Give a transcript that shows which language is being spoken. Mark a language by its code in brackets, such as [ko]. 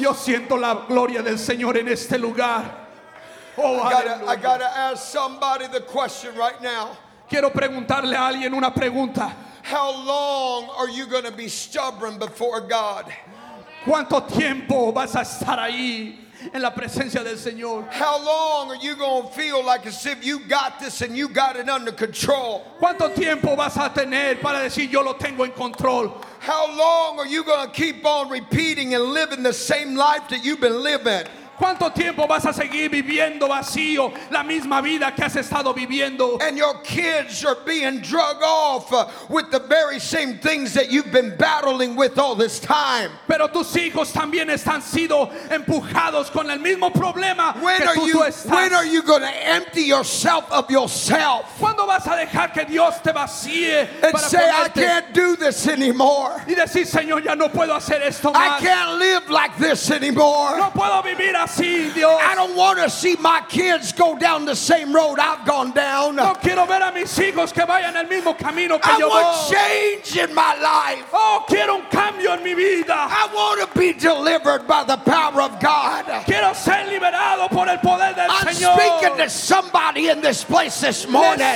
[es] Yo siento la gloria del Señor en este lugar. [en] Oh, aleluya. I gotta ask somebody the question right now. [es] Quiero preguntarle a alguien una pregunta. [en] How long are you going to be stubborn before God? [es] ¿Cuánto tiempo vas a estar ahí en la presencia del Señor? [en] How long are you going to feel like as if you got this and you got it under control? [es] ¿Cuánto tiempo vas a tener para decir yo lo tengo en control? [en] How long are you going to keep on repeating and living the same life that you've been living? [es] ¿Cuánto tiempo vas a seguir viviendo vacío la misma vida que has estado viviendo? [en] And your kids are being drug off with the very same things that you've been battling with all this time. [es] Pero tus hijos también están sido empujados con el mismo problema [en] When are you going to empty yourself of yourself? [es] ¿Cuándo vas a dejar que Dios te vacíe [en] and [es] para [en] say, [es] ponerte? [en] I can't do this anymore. [es] Y decir, Señor, ya no puedo hacer esto más. [en] I can't live like this anymore. [es] No puedo vivir [en] I don't want to see my kids go down the same road I've gone down. [es] No quiero ver a mis hijos que vayan el mismo camino que [en] I [es] yo. [en] I want change in my life. [es] Oh, quiero un cambio en mi vida. [en] I want to be delivered by the power of God. [es] Quiero ser liberado por el poder del [en] I'm [es] Señor. [en] I'm speaking to somebody in this place this morning.